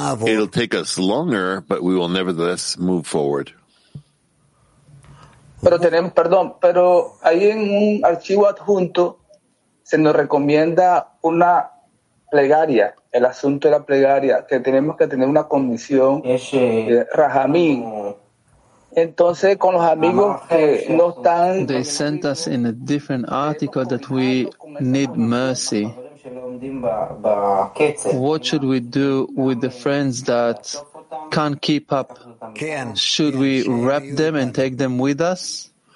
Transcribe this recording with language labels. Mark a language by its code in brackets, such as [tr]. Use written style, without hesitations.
[en] It'll take us longer, but we will nevertheless move forward. [es] Pero tenemos, perdón, pero ahí en un archivo adjunto se nos recomienda una plegaria, el asunto de la plegaria, que tenemos que tener una condición de rajamín. Entonces, con los amigos que no están... [en] They sent us in a different article that we need mercy. What should we do with the friends that can't keep up? Should we wrap them and take them with us?